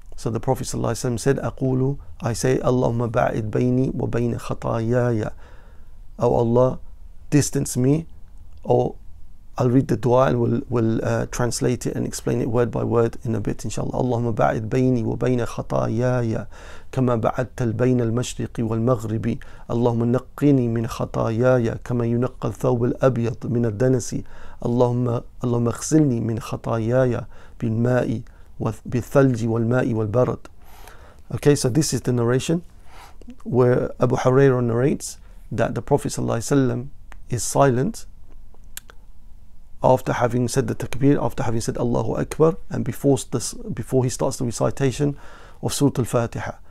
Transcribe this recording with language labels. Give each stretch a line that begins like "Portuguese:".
English: So the Prophet ﷺ said,
Arabic: أقول,
English: I say,
Arabic: Allahumma ba'id bayni wa bayna khatayaya.
English: O Allah, distance me. Or I'll read the dua and we'll translate it and explain it word by word in a bit, inshallah.
Arabic: Allahumma ba'id bayni wa bayna khatayaya كما بعدت البين المشرق والمغربي. اللهم نقني من خطاياي كما ينقى الثوب الأبيض من الدنس. اللهم اغسلني من خطاياي بالماء بالثلج والماء والبرد.
English: Okay, so this is the narration where Abu Hurairah narrates that the Prophet ﷺ is silent after having said the takbir, after having said Allahu Akbar, and before he starts the recitation of Surah Al-Fatiha.